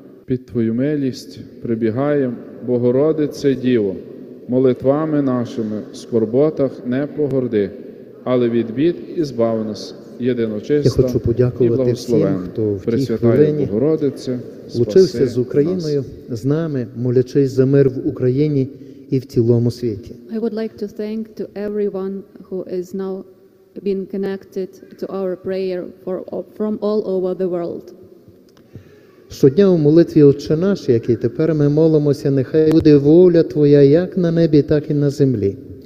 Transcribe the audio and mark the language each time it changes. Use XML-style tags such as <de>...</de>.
<uk>Під Твою милість прибігаємо, Богородице Діво, молитвами нашими в скорботах не погорди, але від бід ізбав нас, єдиночиста і благословенна. Я хочу подякувати всім, хто в тій хвилині Богородице, влучився з Україною, з нами, молячись за мир в Україні і в цілому світі.</uk> <en>I would like to thank to everyone who is now being connected to our prayer for, from all over the world.</en> <uk>Щодня у молитві Отче наш, який тепер ми молимося, нехай буде воля Твоя як на небі, так і на землі.</uk>